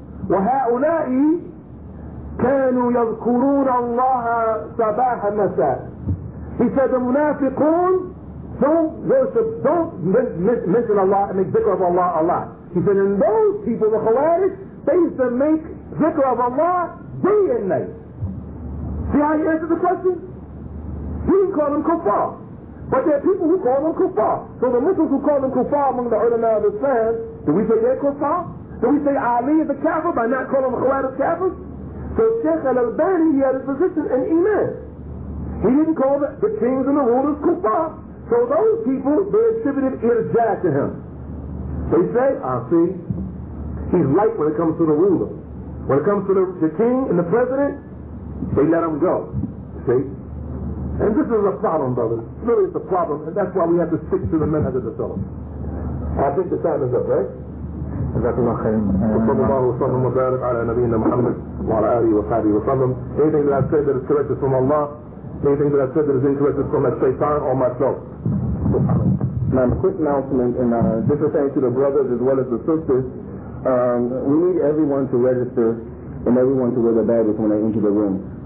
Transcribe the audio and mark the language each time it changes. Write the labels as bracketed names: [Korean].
[Arabic] وهؤلاء كانوا يذكرون الله صباح مساء. [English] He said the munafiqun don't worship, don't mention Allah and make dhikr of Allah a lot. He said in those people, the Khawarij, they used to make dhikr of Allah day and night. See how he answered the question? He didn't call them kuffar. But there are people who call them kuffar. So the Muslims who call them kuffar among the ulama of Islam, do we say they're kuffar? Do we say Ali is a kafir by not calling the Khawarij kafir? So Sheikh al-Albani, he had a position in Iman. He didn't call the kings and the rulers kuffar. So those people, they attributed irja to him. They say, I see, he's light when it comes to the ruler. When it comes to the king and the president, they let him go. See? And this is a problem, brothers. Really, it's a problem, and that's why we have to stick to the manhaj of the salaf. I think the time is up, right? [Arabic] وصلى الله وسلم وبارك على نبينا محمد وعلى آله وصحبه وسلم. [English] Anything that I said that is corrected from Allah, anything that I said that is incorrected from that shaitan or myself. Now, a quick announcement, and just to thank you to the brothers as well as the sisters. We need everyone to register and everyone to wear the badges when they enter the room.